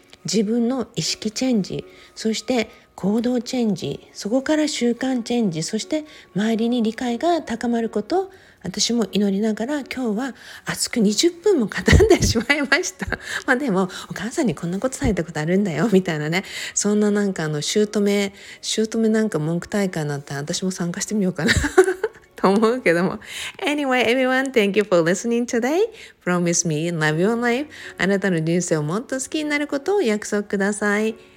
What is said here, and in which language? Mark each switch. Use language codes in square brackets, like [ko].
[ja] 自分の意識チェンジ、そして行動チェンジ、そこから習慣チェンジ、そして周りに理解が高まることを私も祈りながら、今日は熱く20分も語ってしまいました。まあでもお母さんにこんなことされたことあるんだよみたいなね、そんななんかあの姑なんか文句大会になったら私も参加してみようかな思うけども。 [en] Anyway, everyone, thank you for listening today. Promise me, love your life. [ja] あなたの人生をもっと好きになることを約束ください。